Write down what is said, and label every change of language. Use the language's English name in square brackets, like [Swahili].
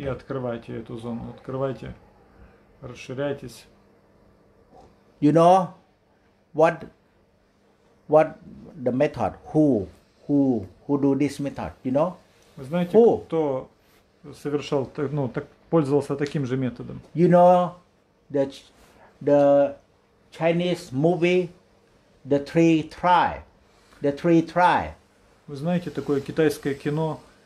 [Russian] И открывайте эту зону, открывайте, расширяйтесь. [English] You know what the method? Who do this method? You know? [Russian] Вы знаете, [English] who? [Russian] Кто совершал, ну, так, пользовался таким же методом? [English] You know the Chinese movie The Three Try. The Three Try. [Russian] Вы знаете такое китайское кино?